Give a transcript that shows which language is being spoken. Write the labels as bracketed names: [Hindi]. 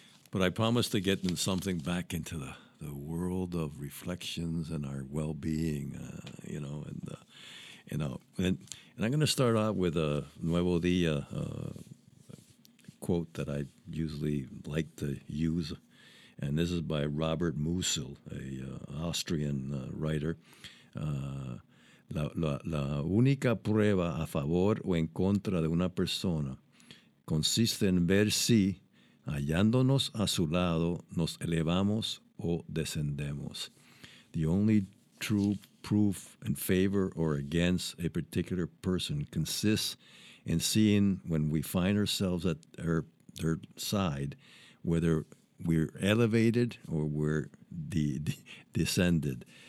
[English] But I promise to get in something back into the world of reflections and our well-being, and I'm going to start out with a Nuevo Día quote that I usually like to use. And this is by Robert Musil, an Austrian writer. [Spanish] La única prueba a favor o en contra de una persona consiste en ver si, hallándonos a su lado, nos elevamos o descendemos. [English] The only true proof in favor or against a particular person consists in seeing, when we find ourselves at their side, whether we're elevated or we're descended.